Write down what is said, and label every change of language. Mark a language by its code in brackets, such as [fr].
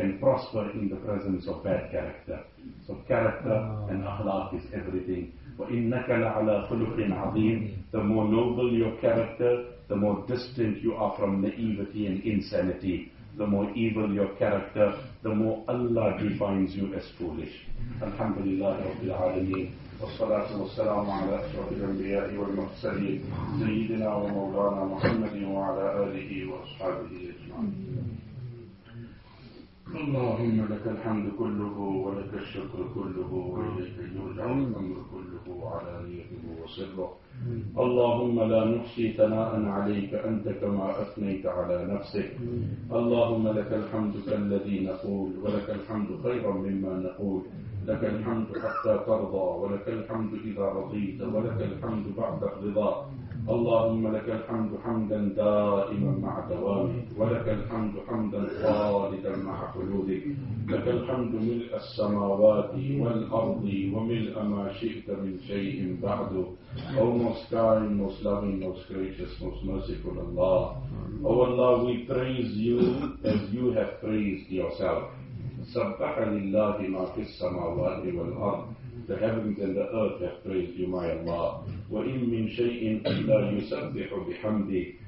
[en] can prosper in the presence of bad character. So character and akhlaq is everything. [ar] وَإِنَّكَ لَعَلَىٰ خُلُقٍ عَظِيمٍ. [en] The more noble your character, the more distant you are from naivety and insanity. The more evil your character, the more Allah defines you as foolish. [ar] Alhamdulillah Rabbil Alameen. والصلاة والسلام على أشرف الأنبياء والمرسلين سيدنا ومولانا محمد وعلى آله وأصحابه أجمعين. اللهم لك الحمد كله ولك الشكر كله وإليك يرجع الأمر كله وعلى نيته وسره. اللهم لا نحصي ثناء عليك أنت كما أثنيت على نفسك. اللهم لك الحمد كالذي نقول ولك الحمد خيرا مما نقول. لك الحمد حتى ترضى ولك الحمد إذا رضيت ولك الحمد بعد الرضا. اللهم لك الحمد حمدا دائما مع دوامك ولك الحمد حمدا خالدا مع خلودك. لك الحمد ملء السماوات والأرض وملء ما شئت من شيء بعد. [en] Most kind, most loving, most gracious, most merciful Allah. O Allah, we praise you as you have praised yourself. [ar] سَبَّحَ لِلَّهِ مَا فِي السَّمَاوَاتِ وَالْأَرْضِ. [en] The heavens and the earth have praised you, my Allah. [ar] وَإِن مِّن شَيْءٍ إِلَّا يُسَبِّحُ بِحَمْدِهِ.